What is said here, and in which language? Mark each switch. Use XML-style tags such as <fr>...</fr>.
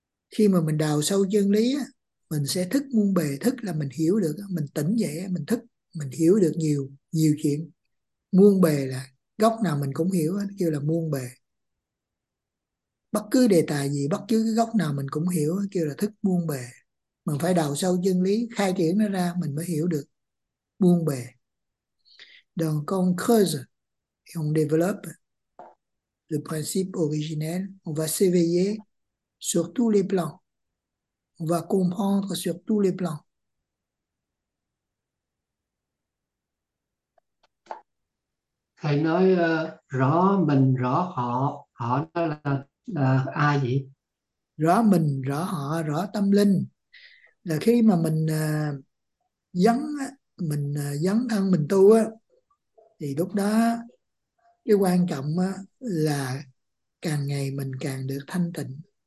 <vi>Khi mà mình đào sâu chân lý mình sẽ thức muôn bề, thức là mình hiểu được, mình tỉnh dậy mình thức, mình hiểu được nhiều nhiều chuyện. Muôn bề là góc nào mình cũng hiểu, kêu là muôn bề. Bất cứ đề tài gì, bất cứ cái góc nào mình cũng hiểu, kêu là thức muôn bề. Mình phải đào sâu chân lý, khai triển nó ra mình mới hiểu được muôn bề.</vi> <fr>Donc on creuse et on développe le principe originel, on va s'éveiller sur tous les plans, on va comprendre sur tous les plans.</fr> <vi>thầy nói rõ mình rõ họ, họ đó là ai vậy? Rõ mình, rõ họ, rõ tâm linh. Là khi mà mình dấn thân mình tu á, thì lúc đó cái quan trọng á, là càng ngày mình càng được thanh tịnh.</vi>